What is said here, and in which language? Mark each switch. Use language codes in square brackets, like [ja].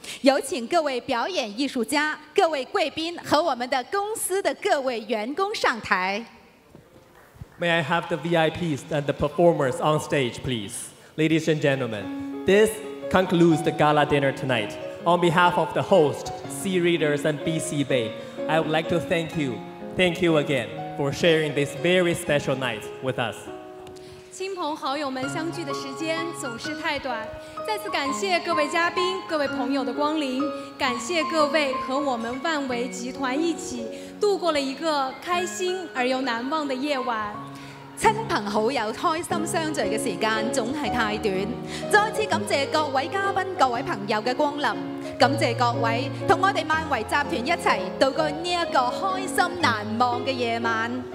[zh] 有请各位表演艺术家、各位贵宾和我们的公司的各位员工上台。 [en] May I have the VIPs and the performers on stage, please? Ladies and gentlemen, this concludes the gala dinner tonight. On behalf of the host, Sea Readers and BC Bay, I would like to thank you. Thank you again for sharing this very special night with us. [zh] 亲朋好友们相聚的时间总是太短，再次感谢各位嘉宾、各位朋友的光临，感谢各位和我们万维集团一起度过了一个开心而又难忘的夜晚。亲朋好友开心相聚的时间总是太短，再次感谢各位嘉宾、各位朋友的光临，感谢各位和我们万维集团一起度过这个开心难忘的夜晚。